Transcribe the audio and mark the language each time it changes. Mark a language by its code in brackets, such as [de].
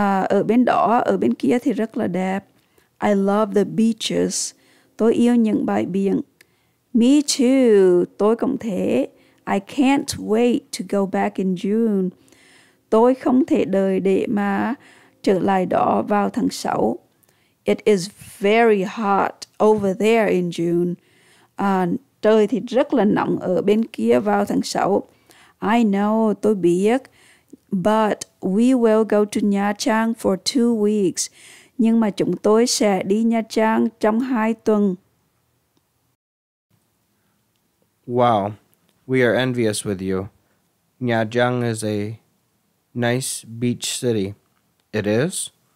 [vi] Ở bên đó, ở bên kia thì rất là đẹp. [en] I love the beaches. [vi] Tôi yêu những bãi biển. [en] Me too. [vi] Tôi cũng thế. [en] I can't wait to go back in June. [vi] Tôi không thể đợi để mà trở lại đó vào tháng 6. [en] It is very hot over there in June. [vi] Trời thì rất là nóng ở bên kia vào tháng 6. [en] I know, [vi] tôi biết. [en] But we will go to Nha Trang for 2 weeks. [vi] Nhưng mà chúng tôi sẽ đi Nha Trang trong 2 tuần. [en] Wow, we are envious with you. Nha Trang is a nice beach city. It is?